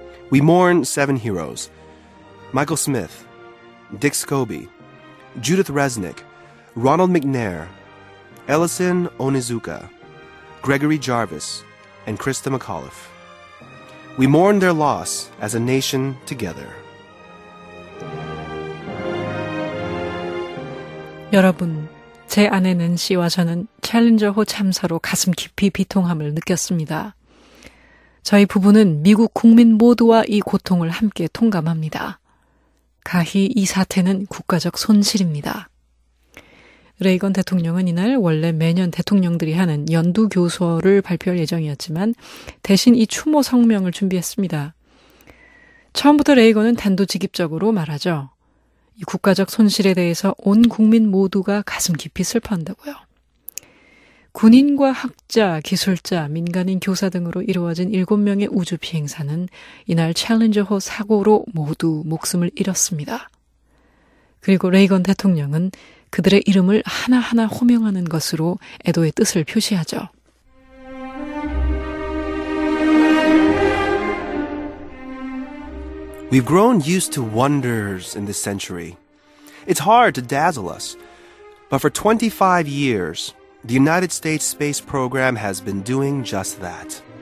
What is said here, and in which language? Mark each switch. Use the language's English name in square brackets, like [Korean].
[English] We mourn 7 heroes. Michael Smith, Dick Scobee, Judith Resnick, Ronald McNair, Ellison Onizuka, Gregory Jarvis, and Krista McAuliffe. We mourn their loss as a nation together. [Korean] 여러분, 제 아내 낸시와 저는 챌린저 호 참사로 가슴 깊이 비통함을 느꼈습니다. 저희 부부는 미국 국민 모두와 이 고통을 함께 통감합니다. 가히 이 사태는 국가적 손실입니다. 레이건 대통령은 이날 원래 매년 대통령들이 하는 연두 교서를 발표할 예정이었지만 대신 이 추모 성명을 준비했습니다. 처음부터 레이건은 단도직입적으로 말하죠. 이 국가적 손실에 대해서 온 국민 모두가 가슴 깊이 슬퍼한다고요. 군인과 학자, 기술자, 민간인 교사 등으로 이루어진 7명의 우주 비행사는 이날 챌린저호 사고로 모두 목숨을 잃었습니다. 그리고 레이건 대통령은 그들의 이름을 하나하나 호명하는 것으로 애도의 뜻을 표시하죠. [English] 'We've grown used to wonders in this century. It's hard to dazzle us. But for 25 years, the United States space program has been doing just that.